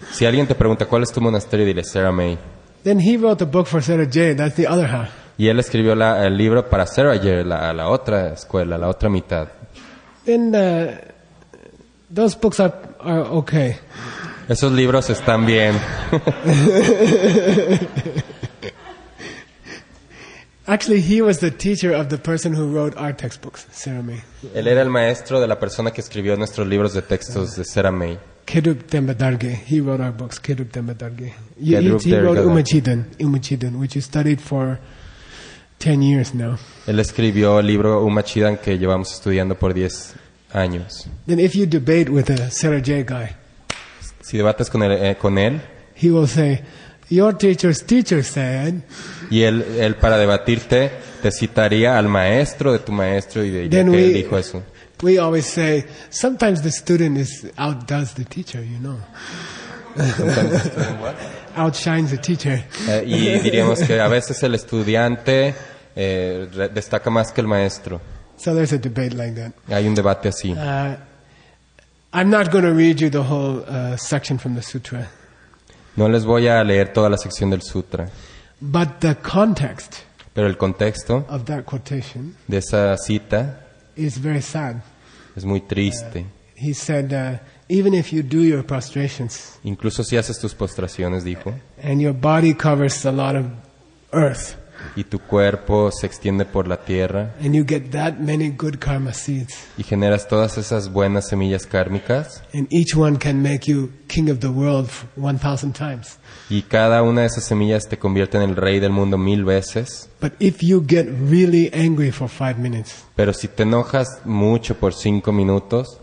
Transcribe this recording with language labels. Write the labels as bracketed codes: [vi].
[es] Si alguien te pregunta cuál es tu monasterio, dile Sera May. [en] Then he wrote a book for Sera J. That's the other half. [es] Y él escribió el libro para Sera J, la otra escuela, la otra mitad. [en] Then those books are okay. [es] Esos libros están bien. [en] Actually, he was the teacher of the person who wrote our textbooks, Sera May. [es] Él era el maestro de la persona que escribió nuestros libros de textos de Sera May. [en] Kedup Denpa Dalge. He wrote our books, Kedup Denpa Dalge. He wrote Umachidan, which you studied for 10 years now. [es] Él escribió el libro Umachidan que llevamos estudiando por 10 años. [en] Then if you debate with a Sera J guy, [es] si debates con él, [en] he will say, your teacher's teacher said. [es] Y él para debatirte te citaría al maestro de tu maestro y de que él dijo eso. [en] We always say sometimes the student is outdoes the teacher, you know. Outshines the teacher. [es] Y diríamos que a veces el estudiante destaca más que el maestro. [en] So there's a debate like that. [es] Hay un debate así. [en] I'm not going to read you the whole section from the sutra. [es] No les voy a leer toda la sección del sutra. [en] But the context. [es] Pero el contexto. [en] Of that quotation. [es] De esa cita. [en] Is very sad. [es] Es muy triste. [en] He said, even if you do your prostrations. [es] Incluso si haces tus postraciones, dijo. [en] And your body covers a lot of earth. [es] y tu cuerpo se extiende por la tierra, [en] and you get that many good karma seeds, [es] y generas todas esas buenas semillas kármicas, [en] and each one can make you king of the world 1,000 times. [es] Y cada una de esas semillas te convierte en el rey del mundo 1,000 veces. [en] But if you get really angry for 5 minutes, [es] pero si te enojas mucho por 5 minutos,